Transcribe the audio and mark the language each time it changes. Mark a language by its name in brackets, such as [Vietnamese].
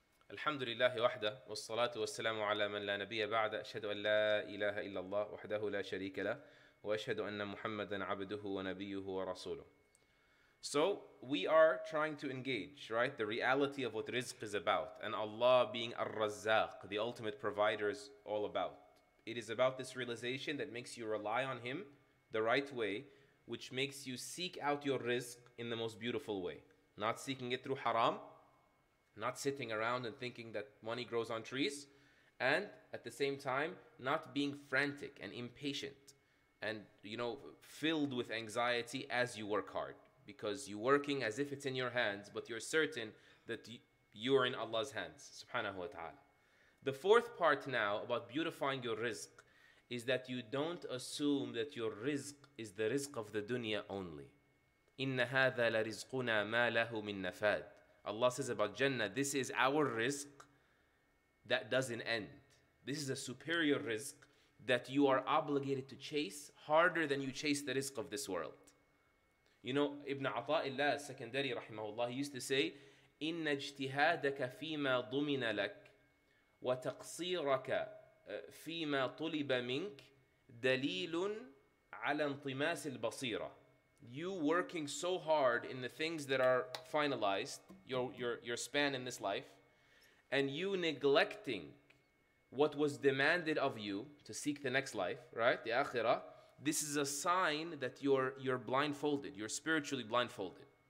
[Arabic] الحمد لله وحده والصلاة والسلام على من لا نبي بعد أشهد أن لا إله إلا الله وحده لا شريك له وأشهد أن محمدا عبده ونبيه ورسوله. [English] So we are trying to engage, right, the reality of what rizq is about, and Allah being al-Razzaq, the ultimate provider, is all about. It is about this realization that makes you rely on Him the right way, which makes you seek out your rizq in the most beautiful way, not seeking it through haram, not sitting around and thinking that money grows on trees, and at the same time, not being frantic and impatient and, you know, filled with anxiety as you work hard, because you're working as if it's in your hands, but you're certain that you're in Allah's hands, subhanahu wa ta'ala. The fourth part now about beautifying your rizq is that you don't assume that your rizq is the rizq of the dunya only. [Arabic] إِنَّ هَذَا لَرِزْقُنَا مَا لَهُ مِن نَفَادٍ. [English] Allah says about Jannah, this is our rizq that doesn't end. This is a superior rizq that you are obligated to chase harder than you chase the rizq of this world. You know, Ibn Ata'illah al-Sakandari rahimahullah, he used to say, [Arabic] إِنَّ اجْتِهَادَكَ فِيمَا ضُمِنَ لَكَ وَتَقْصِيرَكَ فِيمَا طُلِبَ مِنْكَ دَلِيلٌ عَلَى انْطِمَاسِ الْبَصِيرَةِ. [English] You working so hard in the things that are finalized, your span in this life, and you neglecting what was demanded of you to seek the next life, right? The akhirah. This is a sign that you're blindfolded. You're spiritually blindfolded.